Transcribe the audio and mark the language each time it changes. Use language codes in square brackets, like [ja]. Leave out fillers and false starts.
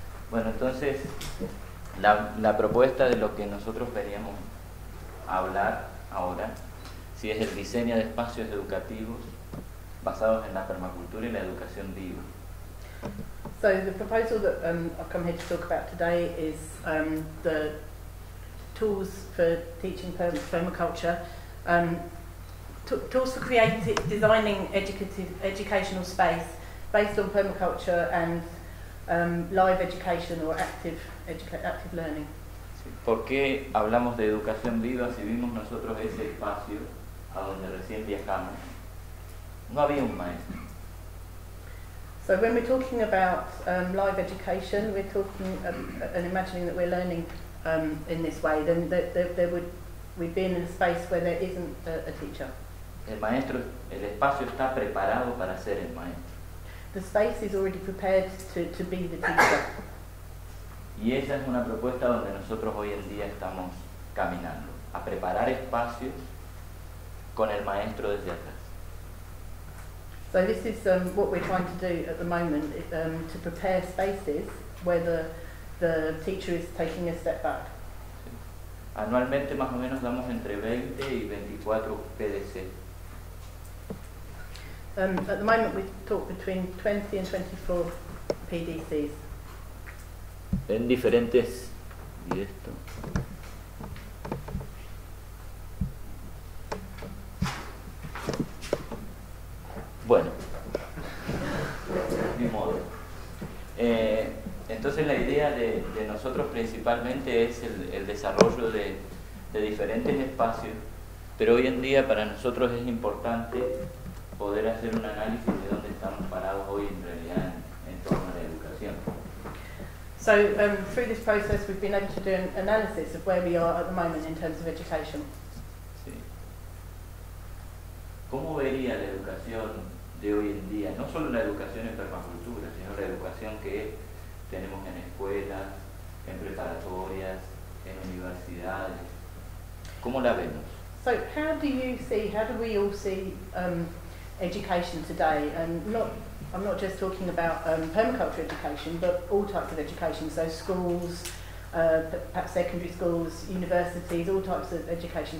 [es] Bueno, entonces, la propuesta de lo que nosotros queríamos hablar ahora, si es el diseño de espacios educativos basados en la permacultura y la educación viva. [en] So the proposal that I've come here to talk about today is the tools for teaching permaculture, tools for designing educational space based on permaculture and live education or active learning. [es] ¿Por qué hablamos de educación viva si vimos nosotros ese espacio a donde recién viajamos? No había un maestro. [en] So when we're talking about live education, we're talking and imagining that we're learning in this way, then we'd be in a space where there isn't a teacher. [es] El maestro, el espacio está preparado para ser el maestro. [en] The space is already prepared to be the teacher. [es] Y esa es una propuesta donde nosotros hoy en día estamos caminando, a preparar espacios con el maestro desde atrás. [en] So this is what we're trying to do at the moment, to prepare spaces where the teacher is taking a step back. [es] Anualmente más o menos damos entre 20 y 24 PDC. [en] At the moment we talk between 20 and 24 PDCs. [es] En diferentes... ¿Y esto? Bueno, ni modo. Entonces la idea de nosotros principalmente es el desarrollo de diferentes espacios, pero hoy en día para nosotros es importante poder hacer un análisis de dónde estamos parados hoy en realidad en torno a la educación. [en] So through this process we've been able to do an analysis of where we are at the moment in terms of education. [es] Sí. ¿Cómo vería la educación de hoy en día, no solo la educación en permacultura, sino la educación que tenemos en escuelas, en preparatorias, en universidades? ¿Cómo la vemos? [en] So how do you see, how do we all see education today? And I'm not just talking about permaculture education, but all types of education, so schools, perhaps secondary schools, universities, all types of education.